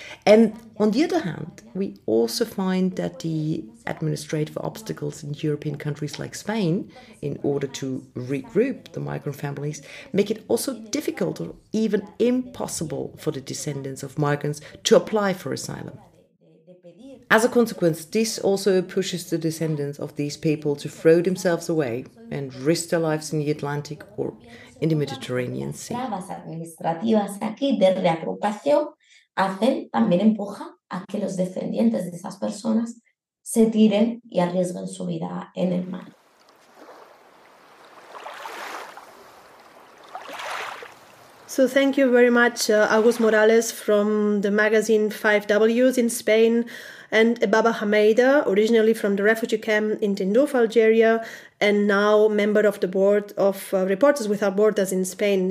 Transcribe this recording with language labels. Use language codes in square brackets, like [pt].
[en] And on the other hand, we also find that the administrative obstacles in European countries like Spain, in order to regroup the migrant families, make it also difficult or even impossible for the descendants of migrants to apply for asylum. As a consequence, this also pushes the descendants of these people to throw themselves away and risk their lives in the Atlantic or in the Mediterranean Sea. [es] Las administrativas aquí de reagrupación hacen también empuja a que los descendientes de esas personas se tiren y arriesguen su vida en el mar. [en] So thank you very much, August Morales from the magazine 5Ws in Spain, and Ebaba Hameida, originally from the refugee camp in Tindouf, Algeria, and now member of the board of Reporters Without Borders in Spain.